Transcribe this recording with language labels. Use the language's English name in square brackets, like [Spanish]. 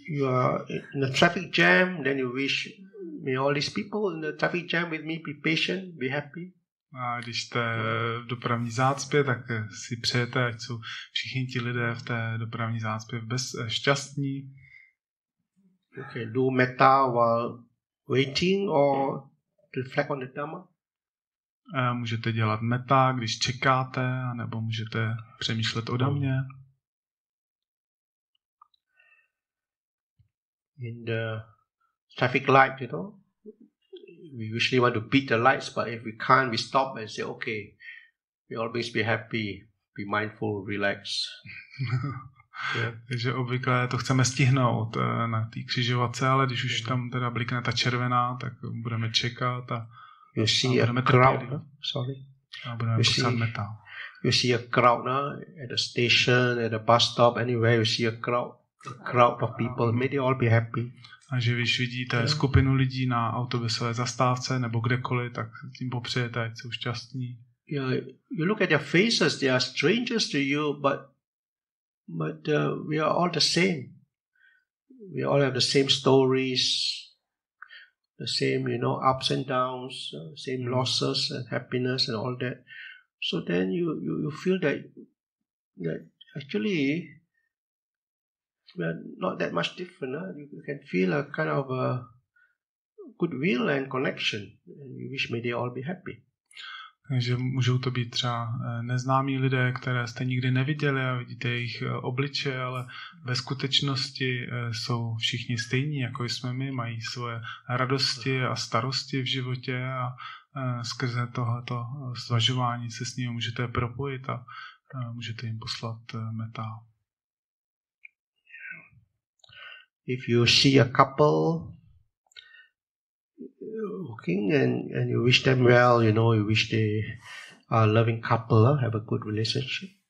[English] You are in a traffic jam, then you wish may all these people in the traffic jam with me be patient, be happy. [Czech] A když jste v dopravní zácpě, tak si přejete, ať jsou všichni ti lidé v té dopravní zácpě šťastní. [English] You can do metta while waiting or reflect on the Dhamma. [Czech] Můžete dělat metta, když čekáte, nebo můžete přemýšlet o Dhamě. [English] In the traffic light, you know, we usually want to beat the lights, but if we can't, we stop and say, okay, we always be happy, be mindful, relax. Yeah. [Czech] Takže obvykle to chceme stihnout na té křižovatce, ale když už tam teda blikne ta červená, tak budeme čekat a budeme trpělí. A budeme posát metta. [English] You see a crowd at the station, at the bus stop, anywhere you see a crowd of people, may they all be happy. [Czech] Takže když vidíte skupinu lidí na autobusové zastávce nebo kdekoliv, tak tím popřejete, ať jsou šťastní. [English] Yeah, you look at their faces, they are strangers to you, but we are all the same. We all have the same stories, the same, you know, ups and downs, same losses and happiness and all that. So then you feel that actually we are not that much different. You can feel a kind of a goodwill and connection. And you wish may they all be happy. [Czech] Takže můžou to být třeba neznámí lidé, které jste nikdy neviděli a vidíte jejich obliče, ale ve skutečnosti jsou všichni stejní, jako jsme my, mají svoje radosti a starosti v životě a skrze tohleto zvažování se s nimi můžete propojit a můžete jim poslat metta. [English] If you see a couple working and you wish them well, you know, you wish they are a loving couple, have a good relationship.